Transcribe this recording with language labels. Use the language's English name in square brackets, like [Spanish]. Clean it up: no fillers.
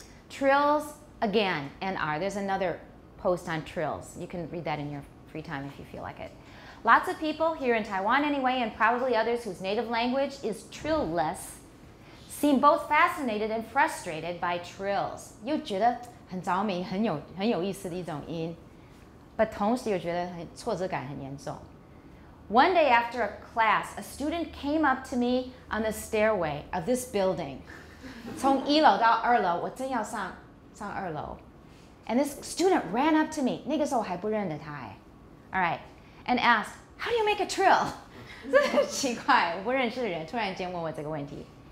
[English] Trills, again, and R. There's another post on trills. You can read that in your free time if you feel like it. Lots of people here in Taiwan anyway, and probably others whose native language is trill-less, seem both fascinated and frustrated by trills. [Chinese] 又觉得很着迷,很有意思的一种音, 但同时又觉得挫折感很严重. [English] One day after a class, a student came up to me on the stairway of this building. [Chinese] 从一楼到二楼,我正要上二楼. [English] And this student ran up to me, [Chinese] 那个时候我还不认得他, [English] alright, and asked, how do you make a trill? [Chinese] 真的很奇怪,我不认识的人突然间问我这个问题.